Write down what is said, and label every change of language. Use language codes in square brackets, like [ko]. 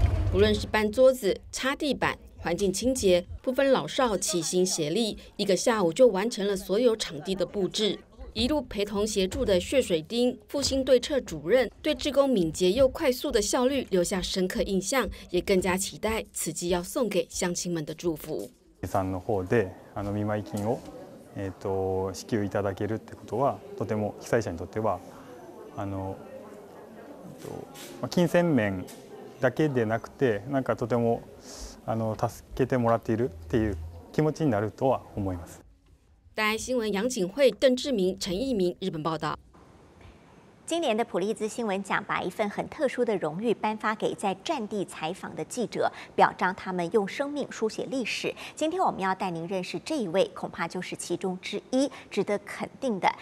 [zh] 不论是搬桌子、擦地板、环境清洁，不分老少齐心协力，一个下午就完成了所有场地的布置。一路陪同协助的血水町复兴对策主任对志工敏捷又快速的效率留下深刻印象，也更加期待慈济要送给乡亲们的祝福。 [ja] さんの方で見舞金を支給いただけるってことは、とても被災者にとっては金銭面だけでなくて、なんかとても助けてもらっているっていう気持ちになるとは思います。 [zh] 大愛新聞、楊景惠、鄧志明、陳義明、日本報道。今年的普利兹新闻奖把一份很特殊的荣誉颁发给在战地采访的记者，表彰他们用生命书写历史。今天我们要带您认识这一位，恐怕就是其中之一，值得肯定的。